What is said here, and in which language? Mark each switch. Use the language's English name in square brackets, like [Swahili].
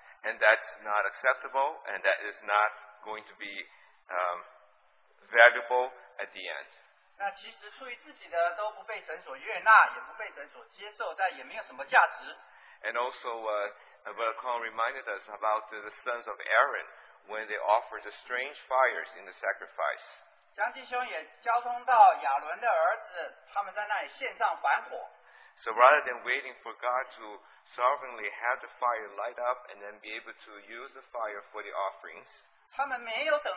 [English] And that's not acceptable, and that is not going to be valuable at the end. [Chinese] 那其实出于自己的都不被神所悦纳，也不被神所接受，但也没有什么价值。 [English] And also, Brother Kong reminded us about the sons of Aaron when they offered the strange fires in the sacrifice. [Chinese] 将弟兄也交通到亚伦的儿子，他们在那里献上燔火。 [English] So rather than waiting for God to sovereignly have the fire light up and then be able to use the fire for the offerings,